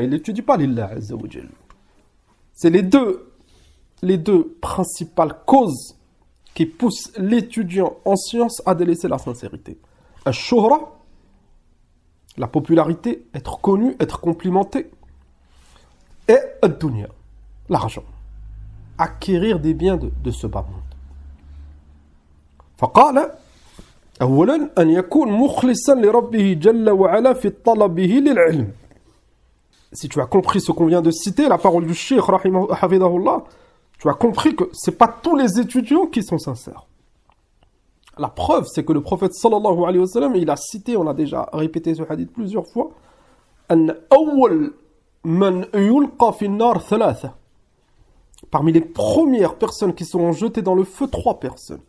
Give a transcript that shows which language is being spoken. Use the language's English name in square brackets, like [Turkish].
[French] Il n'étudie pas l'Illah Azza wa Jal. C'est les deux principales causes qui poussent l'étudiant en science à délaisser la sincérité. Al-shuhra, la popularité, être connu, être complimenté, et ad-dunya, l'argent, acquérir des biens de ce bas monde. [Arabic] فقال أولا أن يكون مخلصا لربه جل وعلا في طلبه للعلم. [French] Si tu as compris ce qu'on vient de citer, la parole du Cheikh rahimahou hafidahoullah, tu as compris que c'est pas tous les étudiants qui sont sincères. La preuve, c'est que le prophète sallallahu alayhi wa sallam, il a cité, on a déjà répété ce hadith plusieurs fois, « [Arabic] An awwal man yulqa fi an-nar thalatha [French] » Parmi les premières personnes qui seront jetées dans le feu, trois personnes.